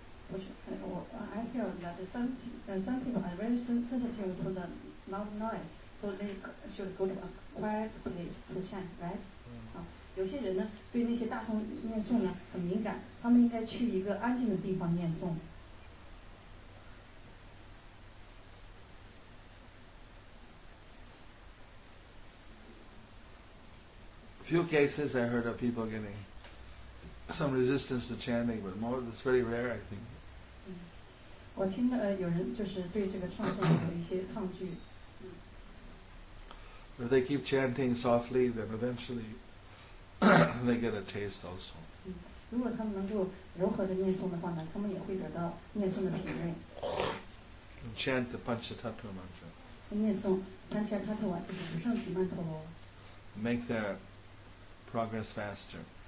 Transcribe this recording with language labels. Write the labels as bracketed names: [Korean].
[Chinese] 不是， [English] I feel that some people are very sensitive to the loud noise, so they should go to a quiet place to chant, right? [Chinese] 有些人呢，对那些大声念诵呢很敏感，他们应该去一个安静的地方念诵。 [English] Few cases I heard of people getting some resistance to chanting, but more, it's very rare, I think. [Chinese] 我听了有人就是对这个唱诵有一些抗拒。 [English] If they keep chanting softly, then eventually they get a taste also. [Chinese] 如果他们能够柔和的念诵的话呢，他们也会得到念诵的品味。 [English] And chant the Panchatattva mantra. [Chinese] 念诵 Panchatattva 就是上品曼陀罗。 [English] Make their progress faster.